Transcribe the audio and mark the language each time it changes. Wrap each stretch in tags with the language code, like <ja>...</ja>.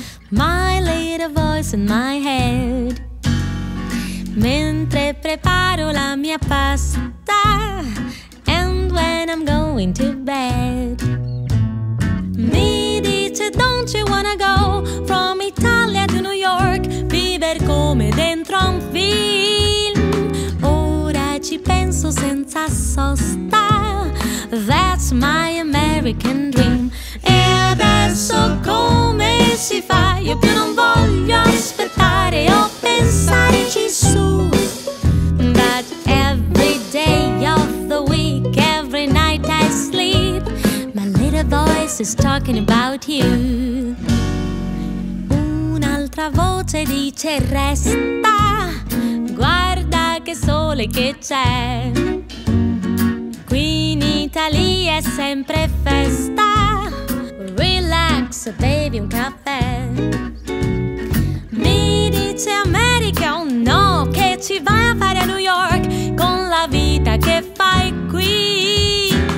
<en>My little voice in my head.</en> <it>Mentre preparo la mia pasta.</it> <en>And when I'm going to bed.</en> <it>Mi dice,</it> <en>don't you wanna go from Italia to New York?</en> <it>Viver come dentro un film. Ora ci penso senza sosta.</it> <en>That's my American dream.</en> <it>E adesso come si fa? Io più non voglio aspettare o pensarci su.</it> <en>But every day of the week, every night I sleep, my little voice is talking about you.</en> <it>Un'altra voce dice resta, guarda che sole che c'è. Qui in Italia è sempre festa. Relax, bevi un caffè. Mi dice America, oh no, che ci vai a fare a New York con la vita che fai qui.</it>